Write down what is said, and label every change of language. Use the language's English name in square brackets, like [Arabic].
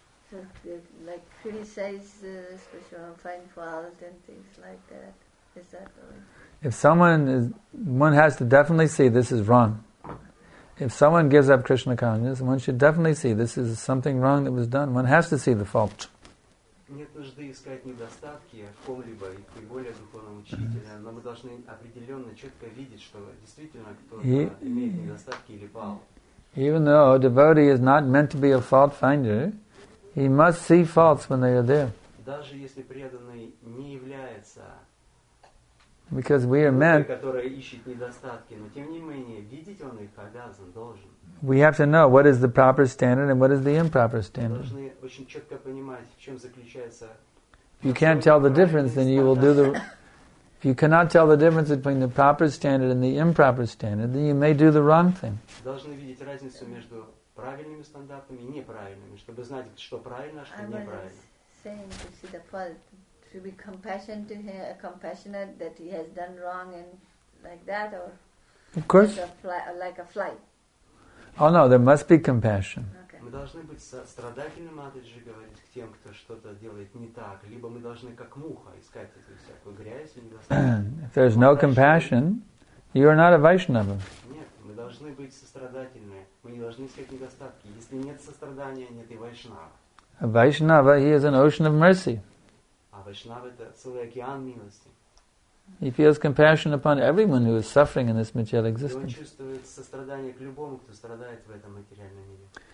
[English] So, like criticize the spiritual and find fault and things like that. Is that right? If someone is, one has to definitely see this is wrong. If someone gives up Krishna consciousness, one should definitely see this is something wrong that was done. One has to see the fault. [Russian] Нет нужды искать недостатки в ком-либо, и тем более духовном учителе, но мы должны определенно четко видеть, что действительно кто-то имеет недостатки или пал. [English] Even though a devotee is not meant to be a fault finder, he must see faults when they are there. [Russian] Даже если преданный не является, [English] because we are meant, [Russian] который ищет недостатки, но тем не менее видеть он их обязан, должен. [English] We have to know what is the proper standard and what is the improper standard. [Russian] Должны очень четко понимать, в чем заключается. [English] If you can't tell the difference, then you will do the. If you cannot tell the difference between the proper standard and the improper standard, then you may do the wrong thing. [Russian] Должны видеть разницу между правильными стандартами и неправильными, чтобы знать, что правильно, что неправильно. [English] Saying to see the fault, to be compassionate to him, compassionate that he has done wrong and like that, or of course, like a fly. Oh no, there must be compassion. [Russian] Мы должны быть сострадательны, Матаджи говорит, к тем, кто что-то делает не так. Либо мы должны, как муха, искать эту всякую грязь и недостатки. [English] If there's no compassion, you are not a Vaishnava. [Russian] Нет, мы должны быть сострадательны. Мы не должны искать недостатки. Если нет сострадания, нет и Вайшнава. [English] A Vaishnava, he is an ocean of mercy. [Russian] А Вайшнава – это целый океан милости. [English] He feels compassion upon everyone who is suffering in this material existence. [Russian] И он чувствует сострадание к любому, кто страдает в этом материальном мире.